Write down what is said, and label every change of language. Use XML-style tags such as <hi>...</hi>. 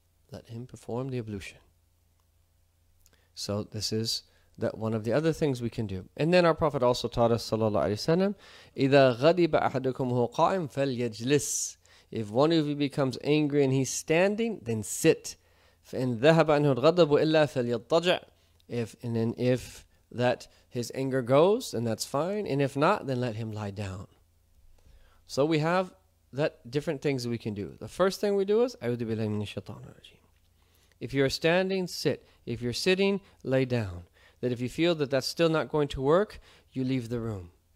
<en>Let him perform the ablution. So this is that one of the other things we can do. And then our Prophet also taught us, sallallahu alaihi wasallam,</en> <ar>إذا غضب أحدكم هو قائم فليجلس.</ar> <en>If one of you becomes angry and he's standing, then sit.</en> <ar>فإن ذهب عنه الغضب إلا فليضطجع.</ar> <en>If that his anger goes, then that's fine. And if not, then let him lie down. So we have that different things that we can do. The first thing we do is,</en> <ar>أعوذ بالله من الشيطان الرجيم.</ar> <en>If you're standing, sit. If you're sitting, lay down. That if you feel that that's still not going to work, you leave the room.</en>